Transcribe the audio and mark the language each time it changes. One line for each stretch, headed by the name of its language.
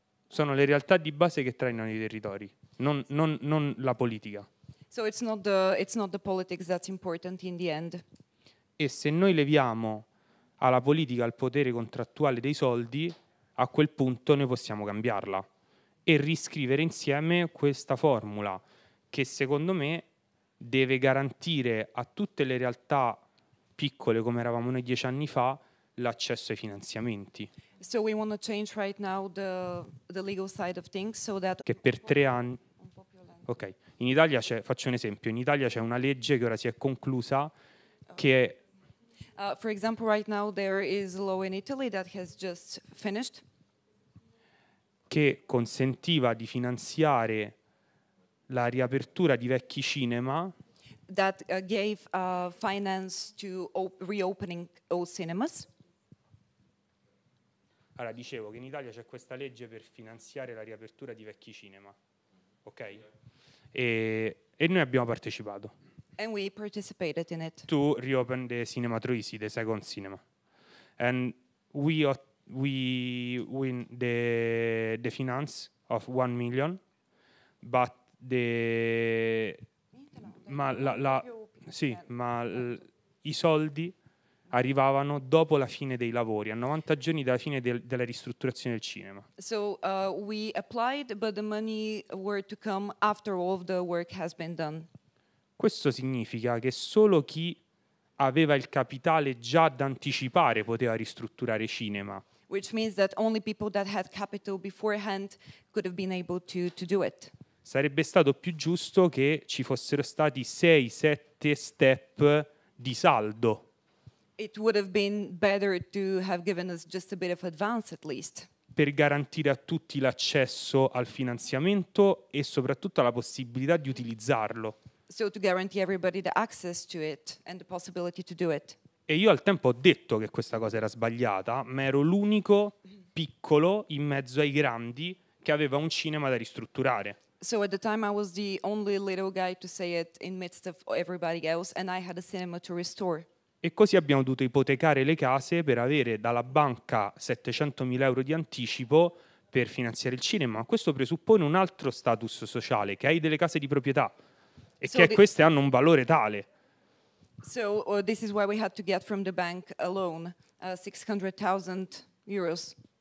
Italian: Sono le realtà di base che trainano i territori, non la politica.
English: So it's not the politics that's important in the end.
Italian: E se noi leviamo alla politica il potere contrattuale dei soldi, a quel punto noi possiamo cambiarla e riscrivere insieme questa formula che secondo me deve garantire a tutte le realtà piccole come eravamo noi 10 anni fa l'accesso ai finanziamenti.
English: So we want to change right now the legal side of things so that
Italian: che per 3 anni. Ok, in Italia c'è, faccio un esempio, in Italia c'è una legge che ora si è conclusa che
English: for example right now there is a law in Italy that has just finished
Italian: che consentiva di finanziare la riapertura di vecchi cinema
English: that gave finance to reopening old cinemas.
Italian: Allora dicevo che in Italia c'è questa legge per finanziare la riapertura di vecchi cinema. Ok? E noi abbiamo partecipato.
English: And we participated in it. To reopen the Cinema Troisi, the second cinema. And we win the finance of 1 million, but the
Italian: ma la, la sì, ma i soldi arrivavano dopo la fine dei lavori, a 90 giorni dalla fine della ristrutturazione del cinema.
English: So we applied, but the money were to come after all of the work has been done.
Italian: Questo significa che solo chi aveva il capitale già da anticipare poteva ristrutturare cinema.
English: Which means that only people that had capital beforehand could have been able to do it.
Italian: Sarebbe stato più giusto che ci fossero stati 6-7 step di saldo.
English: It would have been better to have given us just a bit of advance at least.
Italian: Per garantire a tutti l'accesso al finanziamento e soprattutto la possibilità di utilizzarlo.
English: So to guarantee everybody the access to it and the possibility to do it.
Italian: E io al tempo ho detto che questa cosa era sbagliata, ma ero l'unico piccolo in mezzo ai grandi che aveva un cinema da ristrutturare.
English: So at the time I was the only little guy to say it in midst of everybody else and I had a cinema to restore.
Italian: E così abbiamo dovuto ipotecare le case per avere dalla banca 700.000 euro di anticipo per finanziare il cinema. Questo presuppone un altro status sociale, che hai delle case di proprietà e so che queste hanno un valore tale.
English: So this is why we had to get from the bank a loan, 600,000 euros.